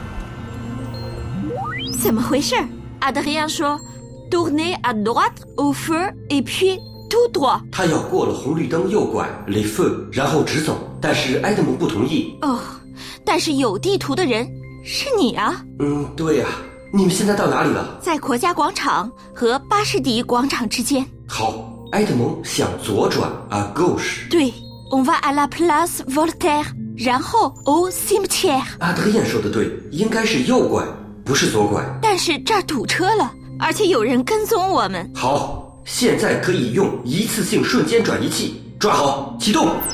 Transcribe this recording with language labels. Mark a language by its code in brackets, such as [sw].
[fr] Comment ça ? Adrien dit, tournez à droite au feu et puis tout droit. Il va passer le rouge de l'autre, les feux, et puis direct. Mais Edmond n'est pas d'accord. Oh, mais il y a des cartes de gens. [zh] 是你啊对啊你们现在到哪里了在国家广场和巴士底广场之间好埃德蒙向左转 [fr] à gauche 对 on va à la place Voltaire 然后 au cimetière [zh] 阿德燕说的对应该是右拐不是左拐但是这儿堵车了而且有人跟踪我们好现在可以用一次性瞬间转移器抓好启动